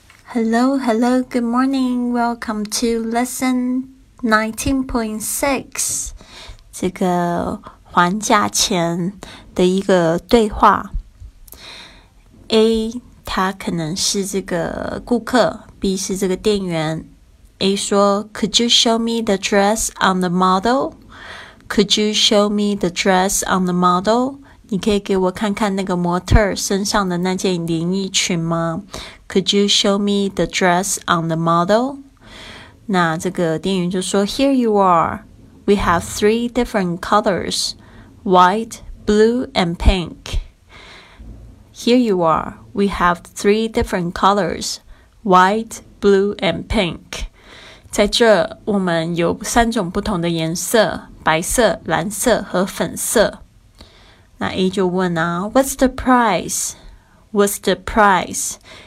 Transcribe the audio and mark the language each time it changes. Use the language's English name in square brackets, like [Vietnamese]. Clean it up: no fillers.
[English] Hello, hello, good morning. Welcome to Lesson 19.6. [Chinese] 这个还价前的一个对话。 A 他可能是这个顾客，B 是这个店员。 [English] A 说：“Could you show me the dress on the model? Could you show me the dress on the model?” [Chinese] 你可以给我看看那个模特身上的那件连衣裙吗？ [English] Could you show me the dress on the model？ [Chinese] 那这个店员就说： [English] “Here you are. We have three different colors: white, blue, and pink. Here you are. We have three different colors: white, blue, and pink.” [Chinese] 在这，我们有三种不同的颜色：白色、蓝色和粉色。那 A 就问啊：“ [English] What's the price？What's the price？